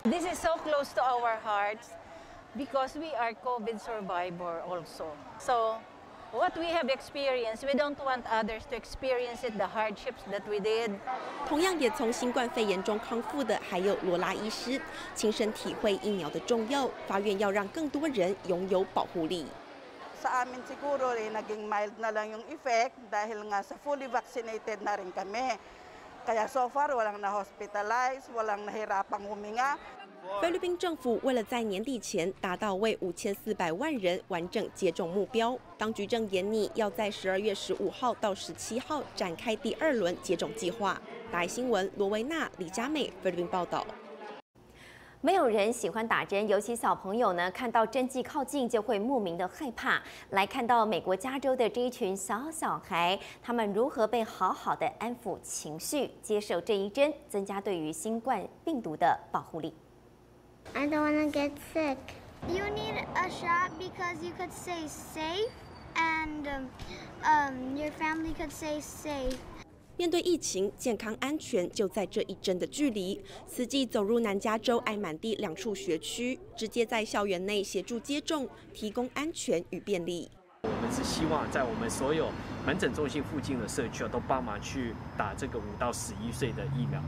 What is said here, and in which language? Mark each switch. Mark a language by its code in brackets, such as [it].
[en] This is so close to our hearts because we are COVID survivor also. So what we have experienced, we don't want others to experience it, the hardships that we did. [zh] 同样也从新冠肺炎中康复的还有罗拉医师，亲身体会疫苗的重要，发愿要让更多人拥有保护力。 [tl] Sa amin siguro eh, naging mild na lang yung effect dahil nga sa [en] fully vaccinated [tl] na rin kami. Kaya [en] so far, [tl] walang na-hospitalize, walang nahirapang huminga. [zh] 菲律宾政府为了在年底前达到为5400万人完整接种目标，当局正研拟要在12月15号到17号展开第二轮接种计划。大爱新闻罗维娜、李佳美菲律宾报道。没有人喜欢打针，尤其小朋友呢，看到针剂靠近就会莫名的害怕。来看到美国加州的这一群小小孩，他们如何被好好的安抚情绪，接受这一针，增加对于新冠病毒的保护力。 [en] I don't want to get sick. You need a shot because you could stay safe, and your family could stay safe. [zh] 面对疫情，健康安全就在这一针的距离。慈济走入南加州艾满地两处学区，直接在校园内协助接种，提供安全与便利。我们是希望在我们所有门诊中心附近的社区都帮忙去打这个5到11岁的疫苗。